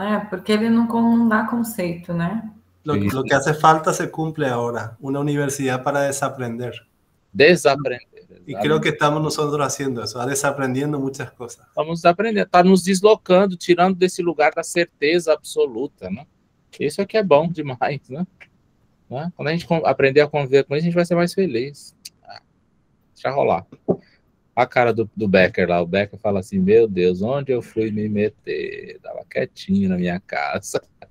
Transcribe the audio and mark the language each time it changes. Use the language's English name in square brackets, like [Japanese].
[Portuguese] Porque ele não dá conceito, né? [Spanish] Lo que hace falta se cumple ahora. Una universidad para desaprender. Desaprender. Y creo que estamos nosotros haciendo eso, desaprendiendo muchas cosas. [Portuguese] Vamos aprendendo, está nos deslocando, tirando desse lugar da certeza absoluta, né? Isso aqui é bom demais, né? Quando a gente aprender a conviver com isso, a gente vai ser mais feliz. Deixa rolar. A cara do Becker lá, o Becker fala assim, meu Deus, onde eu fui me meter? Tava quietinho na minha casa.